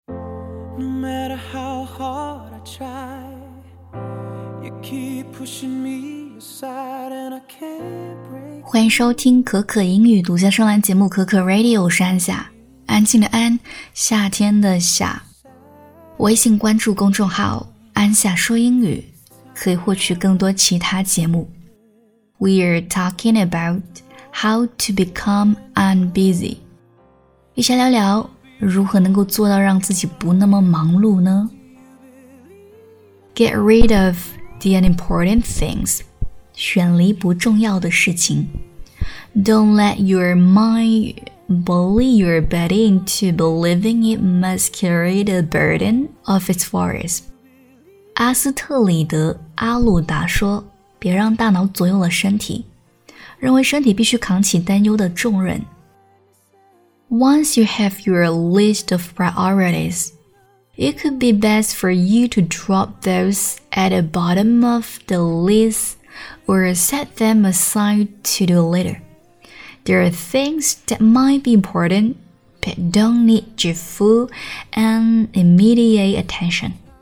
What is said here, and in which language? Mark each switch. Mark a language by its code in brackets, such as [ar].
[en] No matter how hard I try, you keep pushing me aside and I can't break. [zh] 欢迎收听可可英语独家专栏节目可可 Radio， 我是安夏，安静的安，夏天的夏。微信关注公众号安夏说英语，可以获取更多其他节目。 [en] We are talking about how to become unbusy，一起聊聊如何能够做到让自己不那么忙碌呢？ Get rid of the unimportant things，选离不重要的事情。 Don't let your mind bully your body into believing it must carry the burden of its worries。 [zh] 阿斯特里德·阿鲁达说，别让大脑左右了身体，认为身体必须扛起担忧的重任。 [en] Once you have your list of priorities, it could be best for you to drop those at the bottom of the list or set them aside to do later. There are things that might be important, but don't need your full and immediate attention.